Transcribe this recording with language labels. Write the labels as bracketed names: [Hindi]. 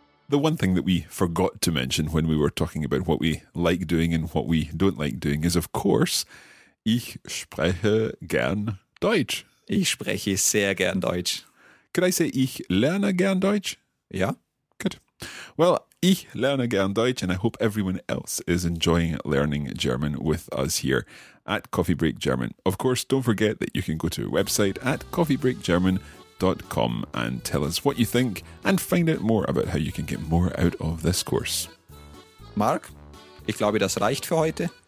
[English] The one thing that we forgot to mention when we were talking about what we like doing and what we don't like doing is, of course, [German] ich spreche gern Deutsch. Ich spreche sehr gern Deutsch. [English] Could I say [German] ich lerne gern Deutsch? [English] Yeah. Good. Well, [German] ich lerne gern Deutsch, [English] and I hope everyone else is enjoying learning German with us here at Coffee Break German. Of course, don't forget that you can go to our website at coffeebreakgerman.com and tell us what you think and find out more about how you can get more out of this course. [German] Mark, ich glaube, das reicht für heute.